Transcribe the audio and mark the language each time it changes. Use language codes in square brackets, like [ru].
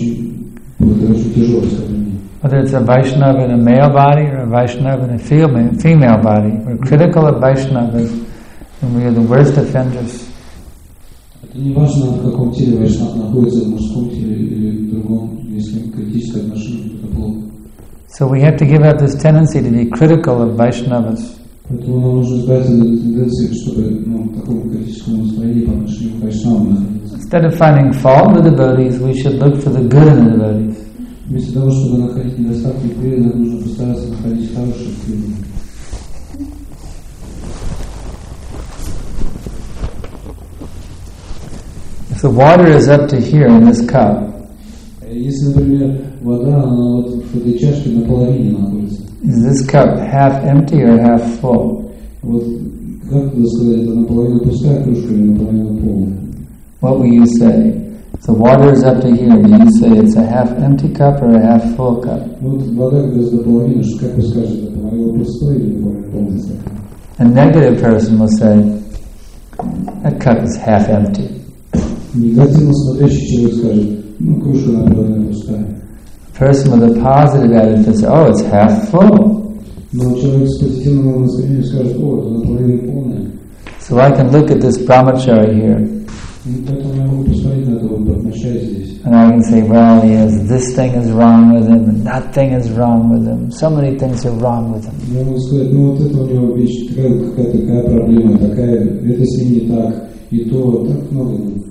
[en] Whether it's a Vaishnava in a male body or a Vaishnava in a female body, we're critical of Vaishnavas, then we are the worst offenders. [ru] Это не важно, в каком теле Вайшнав находится, в мужском теле или в другом, если критическое отношение, то это плохо. [en] So we have to give up this tendency to be critical of Vaishnavas. [ru] Поэтому нам нужно избавиться от этой тенденции, чтобы в таком критическом настроении по отношению к Вайшнавам находиться. [en] Instead of finding fault with the devotees, we should look for the good in the devotees. [ru] Вместо того, чтобы находить недостатки в преданных, нужно постараться находить хорошие в преданных. [en] If the water is up to here in this cup, is this cup half empty or half full? What will you say? If the water is up to here, do you say it's a half empty cup or a half full cup? A negative person will say, that cup is half empty. [ru] Негативно смотрящий человек скажет, ну, кружка наполовину пустая. [en] Person with a positive attitude says, oh, it's half full. [ru] Но человек с позитивным настроением скажет, о, это наполовину полная. [en] So I can look at this brahmachari here. [ru] И поэтому я могу посмотреть на этого брахмачари здесь. [en] And I can say, well, yes, this thing is wrong with him, and that thing is wrong with him. So many things are wrong with him. [ru] Я могу сказать, ну, вот это у него вещь, такая проблема, такая, это с ним не так, и то, так много.